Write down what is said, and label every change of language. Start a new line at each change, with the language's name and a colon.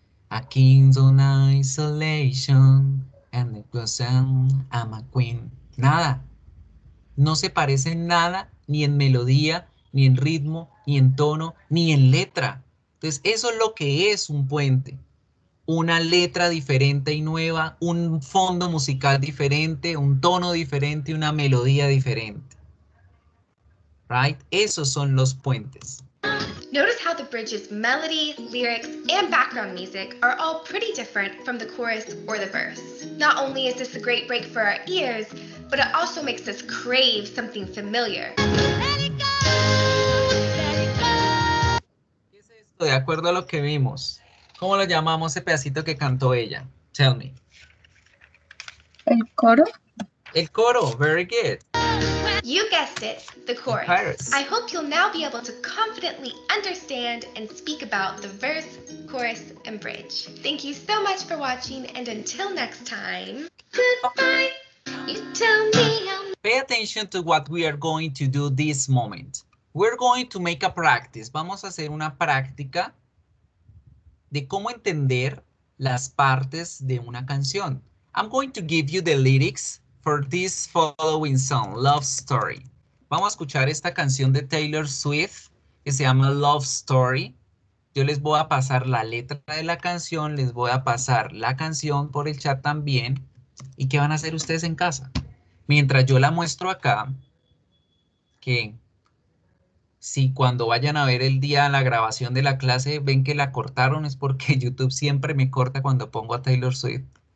English: A king's on isolation and it goes on, I'm a queen.
Spanish: Nada. No se parece en nada, ni en melodía, ni en ritmo, ni en tono, ni en letra. Entonces, eso es lo que es un puente. Una letra diferente y nueva, un fondo musical diferente, un tono diferente, una melodía diferente. Right? Esos son los puentes.
English: Notice how the bridge's melody, lyrics, and background music are all pretty different from the chorus or the verse. Not only is this a great break for our ears, but it also makes us crave something familiar. Let it go, let it go.
Spanish: de acuerdo a lo que vimos, ¿cómo lo llamamos ese pedacito que cantó ella?
English: Tell me.
Spanish: ¿El coro? El coro,
English: very good. You guessed it, the chorus. I hope you'll now be able to confidently understand and speak about the verse, chorus, and bridge. Thank you so much for watching, and until next time, goodbye. You tell me. Pay attention to what we are going to do this moment. We're going to make a practice.
Spanish: Vamos a hacer una práctica de cómo entender las partes de una canción.
English: I'm going to give you the lyrics for this following song, Love Story.
Spanish: Vamos a escuchar esta canción de Taylor Swift que se llama Love Story. Yo les voy a pasar la letra de la canción, les voy a pasar la canción por el chat también. ¿Y qué van a hacer ustedes en casa? Mientras yo la muestro acá, que si cuando vayan a ver el día la grabación de la clase ven que la cortaron, es porque YouTube siempre me corta cuando pongo a Taylor Swift.